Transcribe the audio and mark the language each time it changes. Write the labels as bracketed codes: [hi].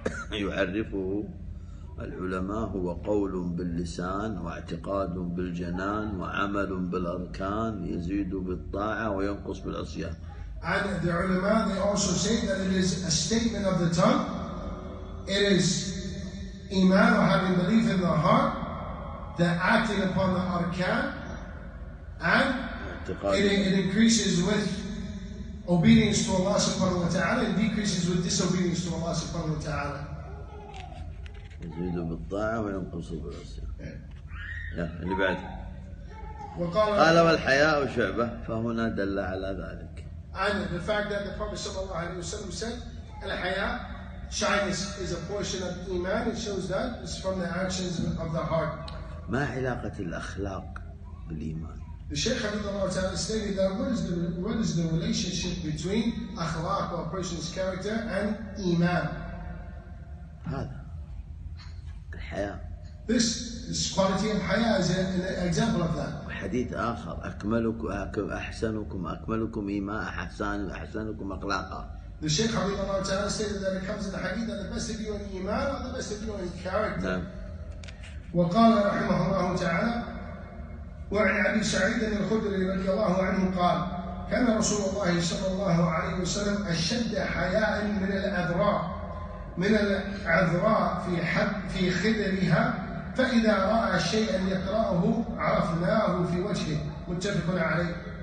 [ar] ويعرفه العلماء هو قول باللسان واعتقاد بالجنان وعمل بالأركان يزيد بالطاعة وينقص بالعصيان. [en] And the ulama, they also say that it is a statement of the tongue. It is iman or having belief in the heart, the acting upon the arkan, and it increases with obedience to Allah subhanahu wa ta'ala and decreases with disobedience to Allah subhanahu wa ta'ala. [ar] يزيد بالطاعة وينقص بالعصيان. اللي بعد. وقال والحياء شعبة فهنا دل على ذلك. [en] And the fact that the Prophet [ar] صلى الله عليه وسلم [en] said الحياء shyness is a portion of iman. It shows that it's from the actions of the heart. [ar] ما علاقة الأخلاق بالإيمان؟ [en] The Shaykh [ar] حفظه الله تعالى [en] stated that what is the relationship between أخلاق or a person's character and iman. [ar] هذا. حياة. [en] This quality of haya is an example of that. [ar] حديث آخر أكملكم أحسنكم أكملكم إيمان أحسنكم أخلاقا. [en] The Shaykh [ar] حفظه الله تعالى [en] stated that it comes in the hadith that the best of you in iman are the best of you in character. [ar] نعم. وقال رحمه الله تعالى وعن أبي سعيد الخدري رضي الله عنه قال كان رسول الله صلى الله عليه وسلم أشد حياء من الأذراع. من العذراء في خدرها فإذا رأى شيئا يقرأه عرفناه في وجهه متفق عليه.